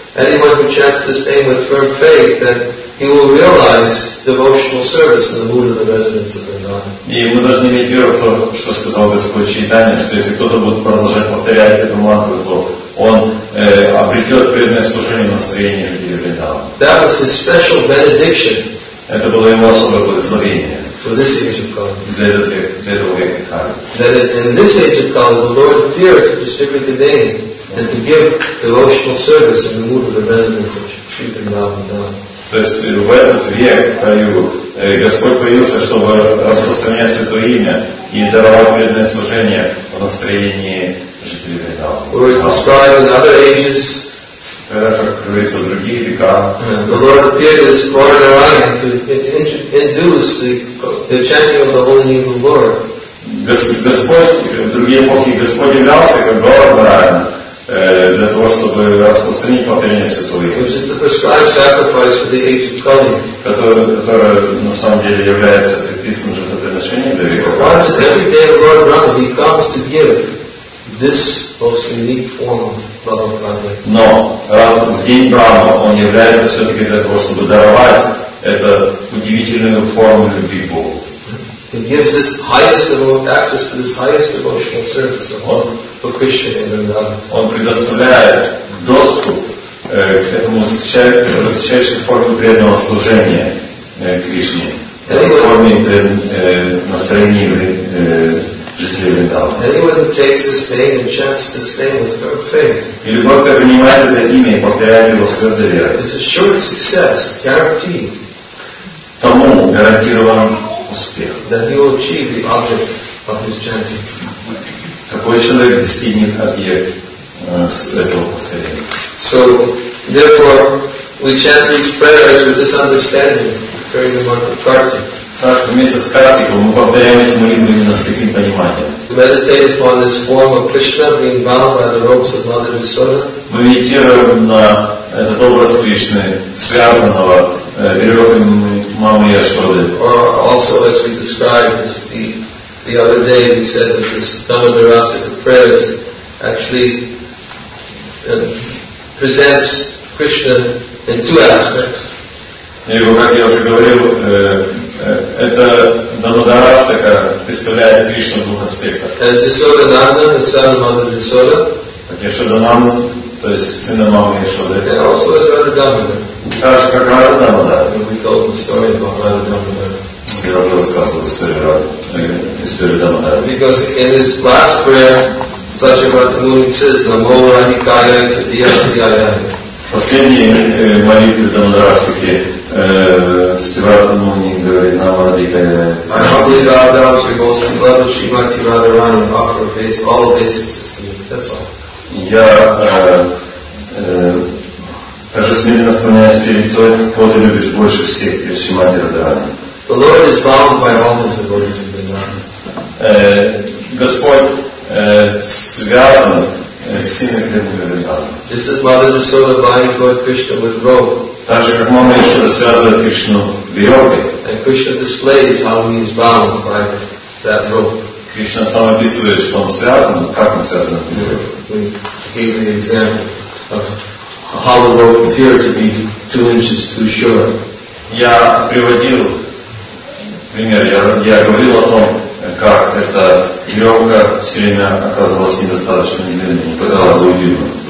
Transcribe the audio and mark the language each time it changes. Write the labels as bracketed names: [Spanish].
[English] Anyone who chants this name with firm faith, then he will realize devotional service in the mood of the residents of Vrindavan. [Russian] И мы должны иметь веру в то, что сказал Господь Чайтанья, что если кто-то будет продолжать повторять эту мантру, то он обретет преданное служение настроения жителей Вриндавана. [English] That was his special benediction. [Russian] Это было ему особое благословение. [English] For this age of Kali. [Russian] Для этого века Кали. [English] That in this age of Kali, the Lord appeared to distribute the name. And to give devotional service in the mood of the residents of Sri Vrindavan. [Russian] То есть в этот век, в краю, Господь появился, чтобы распространять Святое Имя и даровать преданное служение в настроении жителей Вриндавана. [English] Where it's described in other ages, [Russian] как говорится, в других веках, [English] the Lord appeared as Lord Narayana to induce the chanting of the holy name of the Lord. [Russian] Господь, в другие эпохи, Господь являлся как Лорд Нараяна, для того, чтобы распространить повторение Святого Имя, которое на самом деле является предписанным жертвоприношением для веков. [English] Once every day of Lord Brahma, he comes to give this most unique form of Bhava Prabhupada. [Russian] Но раз в день Брахма он является все-таки для того, чтобы даровать эту удивительную форму любви Богу. [English] He gives this highest devotional access to this highest devotional service of all for Krishna in Vrindavan. [Russian] Он предоставляет доступ к этому высочайшей форме преданного служения Кришне, форме настроения жителей Вриндавана. [English] Anyone who takes this name and chants this name with firm faith. [Russian] И любой, кто принимает это имя и повторяет его с твердой верой. [English] This is sure success, guaranteed. [Russian] Тому гарантирован успех. [English] That he will achieve the object of his chanting. [Russian] Какой человек достигнет объект этого повторения? [English] So, therefore, we chant these prayers with this understanding during the month of Kartik. [Russian] Так, вместе с Картиком мы повторяем эти молитвы именно с таким пониманием. [English] Meditate upon this form of Krishna being bound by the ropes of Mother Yasoda. [Russian] Мы медитируем на этот образ Кришны, связанного веревками Мамы Яшоды. [English] Or also as we described this, the other day, we said that this Dhammadharasika prayer is actually presents Krishna in two aspects. [Russian] Как я уже говорил, это Дамодарастака представляет Кришну в двух аспектах. [English] As Yasoda Nanda, the son of Mother Yasoda. [Russian] Как Yasoda Nanda, то есть сына Мамы Yasoda. [English] And also as Radha Damodara. [Russian] Так же, как Радха Дамодара. [English] We told the story about Radha Damodara. [Russian] Я уже рассказывал историю Дамодара. [English] Because in his last prayer, such a Ratanuni says, Namo Radhikaya Tadiya Tadiya. [Russian] Последние молитвы Дамодарастаки Сиватамуни говорит Намадикая. [English] I humbly bow down to your most beloved Shrimati Radharani and offer face all obeisances to you. That's all. [Russian] Я также смиренно склоняюсь перед той, кого ты любишь больше всех, перед Шримати Радхарани. [English] The Lord is bound by all his devotees in Vrindavan. [Russian] Господь связан с сильным преданным Вриндаваном. [English] Just as Mother Yasoda binds Lord Krishna with rope. [Russian] Так же, как Мама Яшода связывает Кришну веревкой. [English] And Krishna displays how he is bound by that rope. [Russian] Кришна сам описывает, что он связан, как он связан с веревкой. [English] We gave the example of a hollow rope appeared to be 2 inches too short. [Russian] Я приводил пример, я говорил о том, как эта веревка все время оказывалась недостаточно длинной, не хватало бы удивлена.